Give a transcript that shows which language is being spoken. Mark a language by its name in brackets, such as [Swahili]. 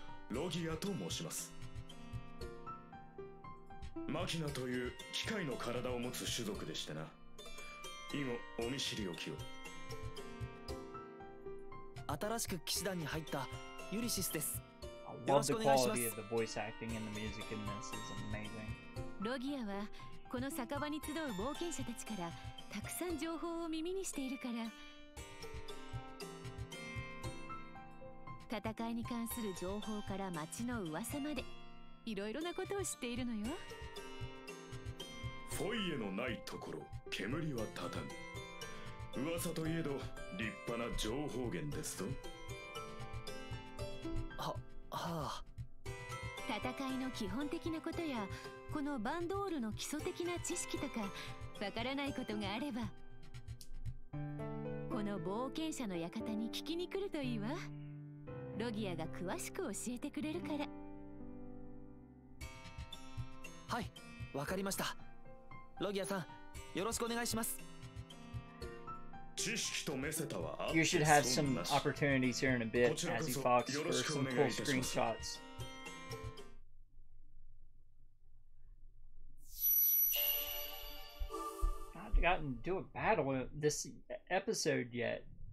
[Japanese] ロギアと申します。マキナという機械の体を持つ種族でしてな。以後お見知りおきを。新しく騎士団に入ったユリシスです。よろしくお願いします。 [English] The quality of the voice acting and the music in this is amazing. [Japanese] ロギアはこの酒場に集う冒険者たちからたくさん情報を耳にしているから。戦いに関する情報から町の噂まで。いろいろなことを知っているのよ。フォイエのないところ、煙は立たぬ。噂といえど、立派な情報源ですぞ。はあ。戦いの基本的なことや、このバンドールの基礎的な知識とか、わからないことがあれば、この冒険者の館に聞きに来るといいわ。ロギアが詳しく教えてくれるから。はい、わかりました。ロギアさん、よろしくお願いします。知識とメセタは、 [English] You should have some opportunities here in a bit, Azzy Fox, for some cool screenshots. I've gotten to do a battle this episode yet.